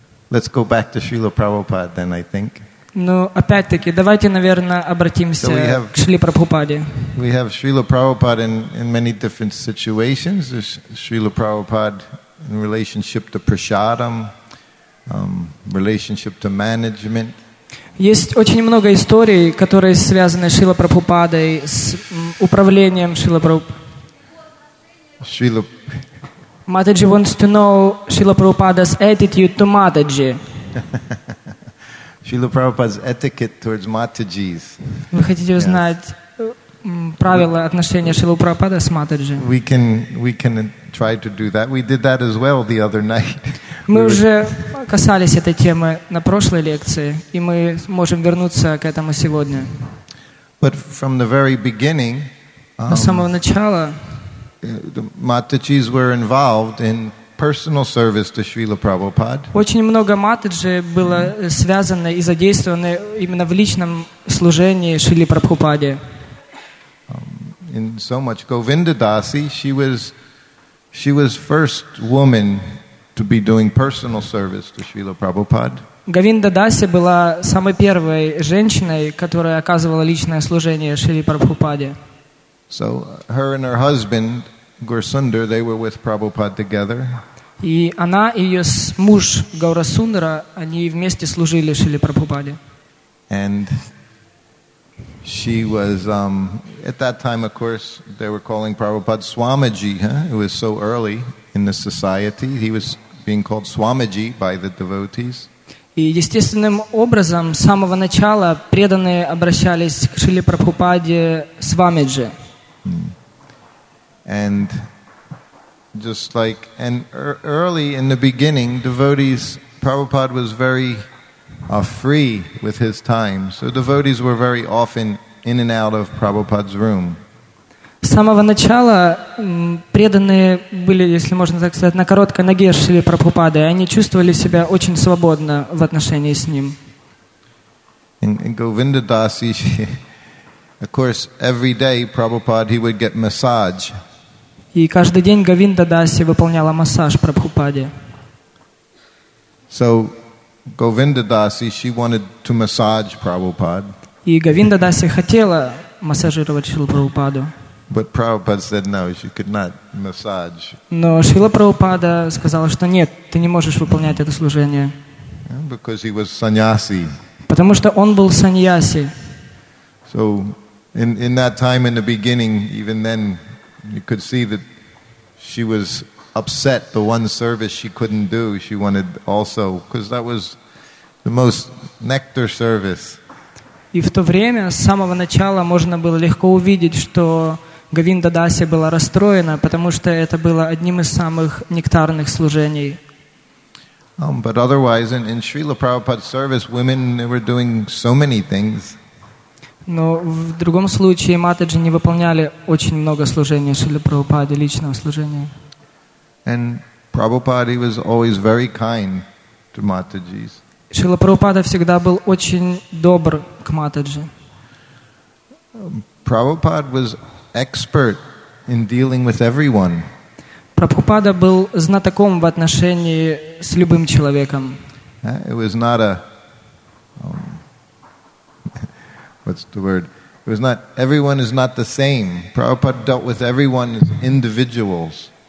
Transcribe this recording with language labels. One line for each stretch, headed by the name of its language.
English: Let's go back to Srila Prabhupada then, I think.
Russian: Ну, опять-таки, давайте, наверное, обратимся к Шриле Прабхупаде.
English: We have Srila Prabhupada in many different situations. There's Srila Prabhupada in relationship to prasadam, relationship to management.
Russian: Есть очень много историй, которые связаны с Шрилой Прабхупадой, с управлением Шрилой Прабхупадой.
English: Mataji wants to know Srila Prabhupada's attitude to Mataji. Srila Prabhupada's etiquette towards Matajis.
Russian: Вы хотите узнать правила отношения Шрилы Прабхупады с Матаджи?
English: We can try to do that. We did that as well the other night.
Russian: Мы уже касались этой темы на прошлой лекции, и мы можем вернуться к этому сегодня.
English: But from the very beginning,
Russian: с самого начала
English: The Matajis were involved in personal service to Srila Prabhupada.
Russian: Очень много матаджи было связано и задействовано именно в личном служении Шриле Прабхупаде.
English: In so much Govinda Dasi, she was first woman to be doing personal service to Srila Prabhupada.
Russian: Govinda Dasi была самой первой женщиной, которая оказывала личное служение Шриле Прабхупаде.
English: So her and her husband Gaurasundara, they were with Prabhupada together.
Russian: И она и ее муж Гаурасундара, они вместе служили Шриле Прабхупаде.
English: And she was at that time, of course, they were calling Prabhupada Swamiji. Huh? It was so early in the society; he was being called Swamiji by the devotees.
Russian: И естественным образом с самого начала преданные обращались к Шриле Прабхупаде Свамиджи.
English: And just like and early in the beginning, devotees, Prabhupada was very free with his time. So devotees were very often in and out of Prabhupada's room.
Russian: С самого начала преданные были, если можно так сказать, на короткой ноге шли Прабхупады, и они чувствовали себя очень свободно в отношении с ним.
English: And Govinda Dasi, of course, every day Prabhupada, he would get massage.
Russian: И каждый день Говинда Даси выполняла массаж Прабхупаде.
English: So, Govinda Dasi, she wanted to massage Prabhupada.
Russian: И Говинда Даси хотела массажировать Шрилу Прабхупаду.
English: But Prabhupada said no, she could not massage.
Russian: Но Шрила Прабхупада сказала, что нет, ты не можешь выполнять это служение.
English: Because he was sannyasi.
Russian: Потому что он был саньяси.
English: So, in that time, in the beginning, even then, you could see that she was upset. The one service she couldn't do, she wanted also, because that was the most nectar service.
Russian: И в то время с самого начала можно было легко увидеть, что Говинда Даси была расстроена, потому что это было одним из самых нектарных служений.
English: But otherwise, in Srila Prabhupada's service, women they were doing so many things.
Russian: Но в другом случае матаджи не выполняли очень много служения Шриле Прабхупаде, личного служения.
English: And Prabhupada was always very kind to Matajis.
Russian: Шрила Прабхупада всегда был очень добр к матаджи.
English: Prabhupada was expert in dealing with everyone.
Russian: Прабхупада был знатоком в отношении с любым человеком.
English: It was not a What's the word? It was not, everyone is not the same. Prabhupada dealt with everyone as individuals.